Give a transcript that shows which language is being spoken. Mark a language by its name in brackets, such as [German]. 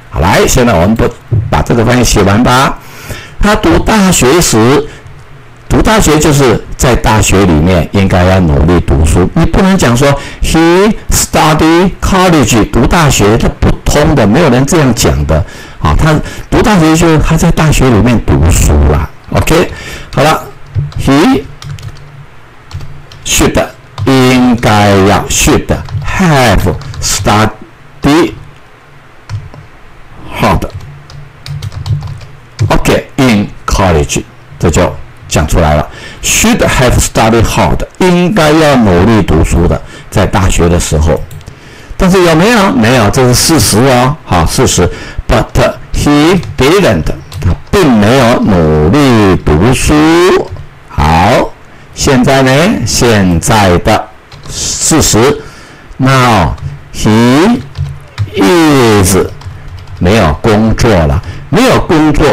[Chinese] 好，来，现在我们不把这个翻译写完吧。他读大学时，读大学就是在大学里面应该要努力读书，你不能讲说 [English] he study college [Chinese] 读大学，这不通的，没有人这样讲的啊。他读大学就是他在大学里面读书啦。 [English] OK， [Chinese] 好了 [English] ，he should [Chinese] 应该要 [English] should have study hard OK in college， [Chinese] 这就讲出来了 [English] ，should have studied hard， [Chinese] 应该要努力读书的，在大学的时候。但是有没有？没有，这是事实哦，好，事实。 [English] But he didn't， [Chinese] 他并没有努力读书。好，现在呢？现在的事实 ， [English] now he is [Chinese] 没有工作了，没有工作。